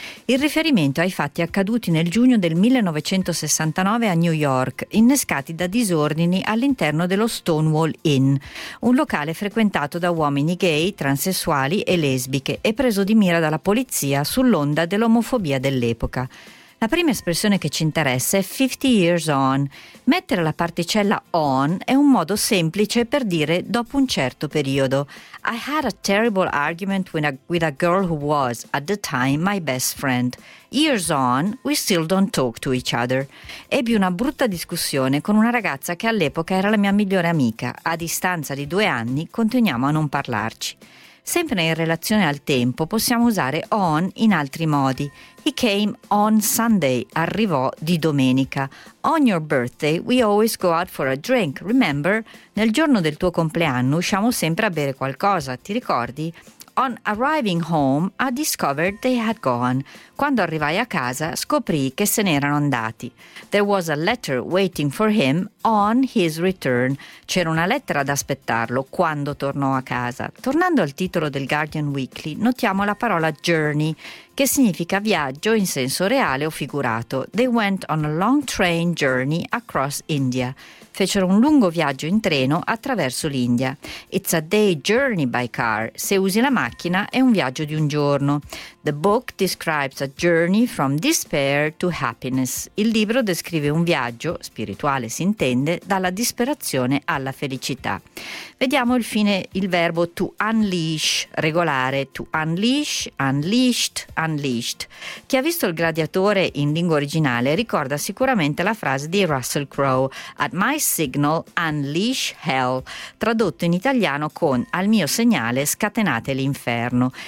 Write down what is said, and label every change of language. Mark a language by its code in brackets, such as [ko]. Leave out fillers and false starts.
[it] Il riferimento ai fatti accaduti nel giugno del 1969 a New York, innescati da disordini all'interno dello Stonewall Inn, un locale frequentato da uomini gay, transessuali e lesbiche e preso di mira dalla polizia sull'onda dell'omofobia dell'epoca. La prima espressione che ci interessa è 50 years on. Mettere la particella on è un modo semplice per dire dopo un certo periodo. [en] I had a terrible argument with a girl who was, at the time, my best friend. Years on, we still don't talk to each other. [it] Ebbi una brutta discussione con una ragazza che all'epoca era la mia migliore amica. A distanza di 2 anni, continuiamo a non parlarci. Sempre in relazione al tempo, possiamo usare on in altri modi. [en] He came on Sunday, [it] arrivò di domenica. [en] On your birthday, we always go out for a drink, remember? [it] Nel giorno del tuo compleanno usciamo sempre a bere qualcosa, ti ricordi? [en] On arriving home, I discovered they had gone. [it] Quando arrivai a casa, scoprì che se n'erano andati. [en] There was a letter waiting for him on his return. [it] C'era una lettera ad aspettarlo quando tornò a casa. Tornando al titolo del Guardian Weekly, notiamo la parola journey, che significa viaggio in senso reale o figurato. [en] They went on a long train journey across India. [it] Fecero un lungo viaggio in treno attraverso l'India. [en] It's a day journey by car. [it] Se usi la macchina, è un viaggio di un giorno. [en] The book describes a journey from despair to happiness. [it] Il libro descrive un viaggio, spirituale si intende, dalla disperazione alla felicità. Vediamo infine il verbo to unleash, regolare, to unleash, unleashed, unleashed. Chi ha visto Il Gladiatore in lingua originale ricorda sicuramente la frase di Russell Crowe, [en] at my signal unleash hell, [it] tradotto in italiano con al mio segnale scatenate l'inferno.